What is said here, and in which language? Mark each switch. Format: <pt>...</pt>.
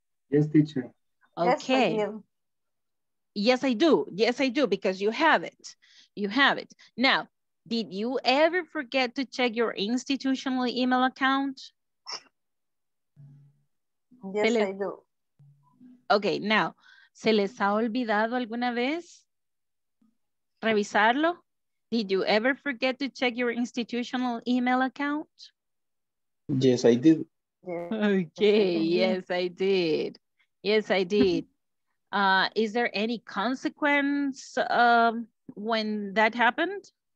<en>Yes, teacher. Okay. Yes, I do. Yes, I do, because you have it. You have it. Now, did you ever forget to check your institutional email account? Yes, I do. Okay, now,</en> <es>¿se les ha olvidado alguna vez revisarlo?</es> <en>Did you ever forget to check your institutional email account? Yes, I did. Okay, yes, I did. Yes, I did. Is there any consequence when that happened?</en>